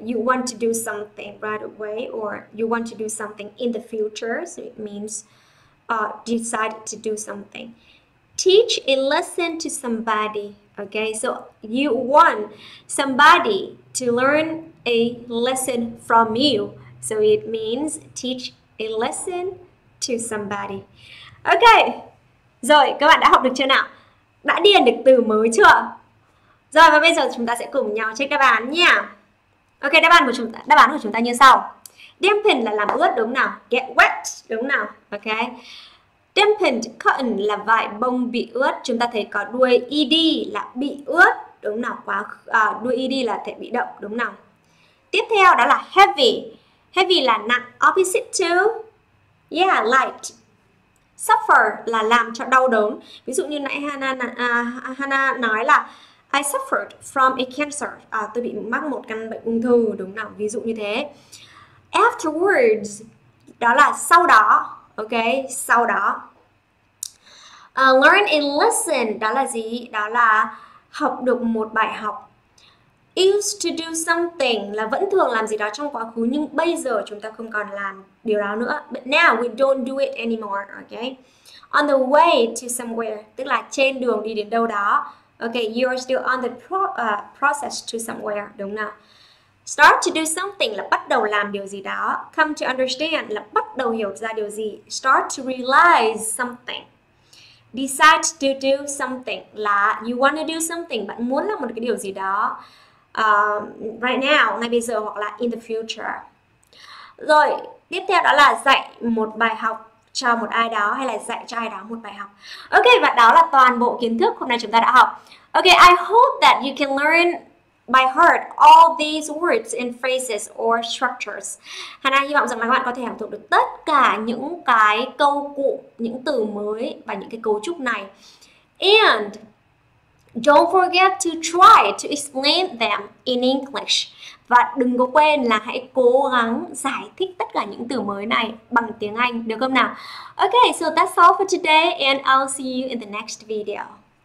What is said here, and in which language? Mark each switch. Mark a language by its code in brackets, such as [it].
[en] You want to do something right away, or you want to do something in the future, so it means decide to do something. Teach a lesson to somebody, okay? So you want somebody to learn a lesson from you, so it means teach a lesson to somebody. [vi] Okay, rồi các bạn đã học được chưa nào? Đã điền được từ mới chưa? Rồi và bây giờ chúng ta sẽ cùng nhau check đáp án nha. Ok, đáp án của chúng ta như sau. Dampen là làm ướt, đúng nào? [en] Get wet, [vi] đúng nào? Ok. Dampened cotton là vải bông bị ướt. Chúng ta thấy có đuôi ed là bị ướt, đúng nào? Quá đuôi ed là thể bị động, đúng nào? Tiếp theo đó là heavy. Heavy là nặng, [en] opposite to light. [vi] Suffer là làm cho đau đớn. Ví dụ như nãy Hana nói là [en] I suffered from a cancer. [vi] Tôi bị mắc một căn bệnh ung thư, đúng nào? Ví dụ như thế. Afterwards, đó là sau đó, okay? Sau đó. Learn a lesson, đó là gì? Đó là học được một bài học. Used to do something là vẫn thường làm gì đó trong quá khứ, nhưng bây giờ chúng ta không còn làm điều đó nữa. [en] But now we don't do it anymore, okay? [vi] On the way to somewhere, tức là trên đường đi đến đâu đó. Okay, [en] you are still on the process to somewhere, [vi] đúng nào? Start to do something là bắt đầu làm điều gì đó. Come to understand là bắt đầu hiểu ra điều gì. [en] Start to realize something. Decide to do something là you want to do something, [vi] bạn muốn làm một cái điều gì đó. [en] Right now, [vi] ngay bây giờ hoặc là [en] in the future. [vi] Rồi, tiếp theo đó là dạy một bài học cho một ai đó hay là dạy cho ai đó một bài học. Ok, và đó là toàn bộ kiến thức hôm nay chúng ta đã học. [en] Ok, I hope that you can learn by heart all these words and phrases or structures. [vi] Hannah hy vọng rằng là các bạn có thể học thuộc được tất cả những cái câu cụ, những từ mới và những cái cấu trúc này. [en] And don't forget to try to explain them in English. [vi] Và đừng có quên là hãy cố gắng giải thích tất cả những từ mới này bằng tiếng Anh, được không nào? [en] Okay, so that's all for today and I'll see you in the next video.